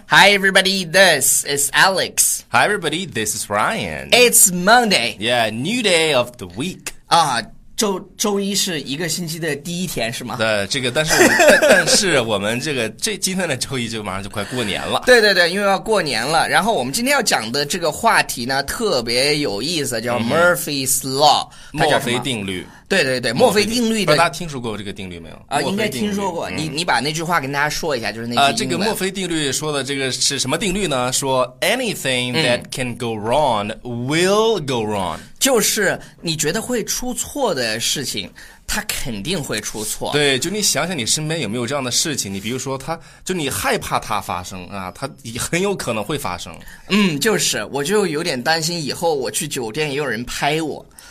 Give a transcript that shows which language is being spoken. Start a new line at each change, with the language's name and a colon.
English: Hi everybody, this is Alex. Hi everybody, this is Ryan. It's Monday. Yeah, new day of the week.
Chinese: 啊，周一是一个星期的第一天是吗？对，这个但是我们这今天的周一就马上就快过年了。对对对，因为要过年了。然后我们今天要讲的这个话题呢，特别有意思，叫 Murphy's Law，墨菲定律。对对对，墨菲定律的，大家听说过这个定律没有？啊，应该听说过。你把那句话跟大家说一下，就是那句英文。这个墨菲定律说的这个是什么定律呢？说
English: anything that can go wrong
Chinese: will go wrong，就是你觉得会出错的事情，它肯定会出错。对，就你想想你身边有没有这样的事情？你比如说它，就你害怕它发生啊，它很有可能会发生。嗯，就是，我就有点担心以后我去酒店也有人拍我。